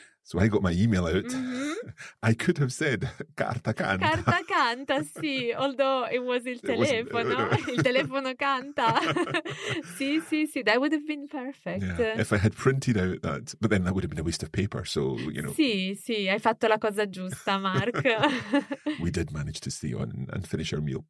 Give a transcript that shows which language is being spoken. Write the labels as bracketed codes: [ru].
[en] So I got my email out. I could have said carta canta. [it] Carta canta, sì, [en] although it was [it] il telefono. Il telefono canta. Sì, sì, sì, [en] that would have been perfect. Yeah. If I had printed out that, but then that would have been a waste of paper, so, you know. [it] Sì, sì, hai fatto la cosa giusta, Mark. [en] We did manage to stay on and finish our meal.